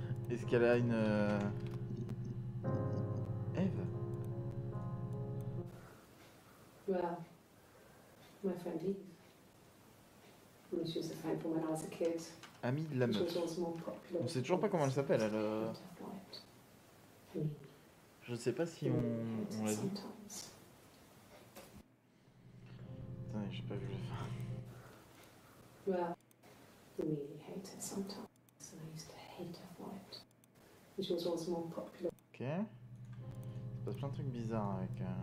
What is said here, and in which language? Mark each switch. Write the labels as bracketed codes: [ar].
[fr] Est-ce qu'elle a une... [en] Eve? Well, my friend Eve. When she was a friend from when I was a kid. [fr] Ami de la meuf. On sait toujours pas comment elle s'appelle, elle... Je ne sais pas si on l'a dit. Attendez, j'ai pas vu le fin. [en] Well, we hate her sometimes, and I used to hate her for it. She was always more popular. Ok. [fr] Il se passe plein de trucs bizarres avec...